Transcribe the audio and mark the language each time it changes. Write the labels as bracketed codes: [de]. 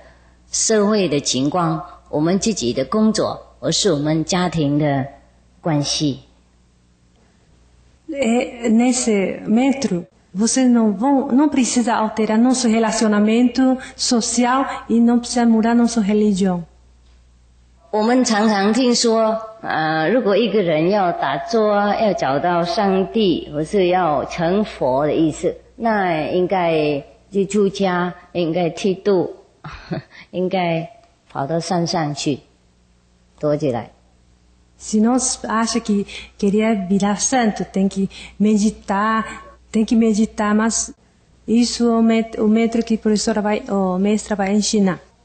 [zh] 又不应该篡改我们的社会的情况, 我们自己的工作, 或是我们家庭的关系. [pt] Nesse método, vocês não precisa alterar nosso relacionamento social e não precisa mudar nossa religião. [zh] 我们常常听说, 如果一个人要打坐, 要找到上帝, 或是要成佛的意思, 那应该去出家, 应该剃度, 应该跑到山上去. [pt] Se nós acha que queria virar santo, tem que meditar, mas isso é o método que o mestre vai ensinar.